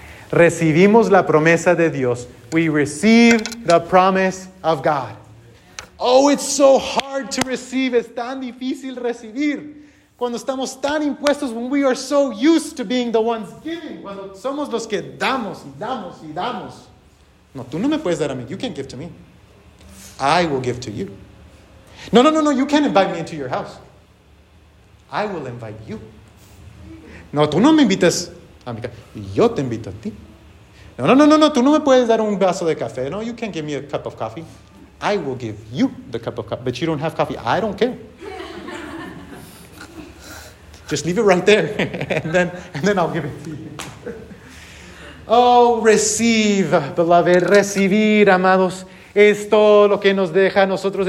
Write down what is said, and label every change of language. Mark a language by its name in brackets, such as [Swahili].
[Spanish] Recibimos la promesa de Dios. [English] We receive the promise of God. Oh, it's so hard to receive. [Spanish] Es tan difícil recibir. Cuando estamos tan impuestos, [English] when we are so used to being the ones giving, [Spanish] cuando somos los que damos y damos y damos. No, tú no me puedes dar a mí. [English] You can't give to me. I will give to you. No, you can't invite me into your house. I will invite you. [Spanish] No, tú no me invitas a mi casa. Yo te invito a ti. No, tú no me puedes dar un vaso de café. [English] No, you can't give me a cup of coffee. I will give you the cup of coffee, but you don't have coffee. I don't care. Just leave it right there, and then I'll give it to you. Oh, receive, beloved. [Spanish] Recibir, amados, es todo lo que nos deja a nosotros.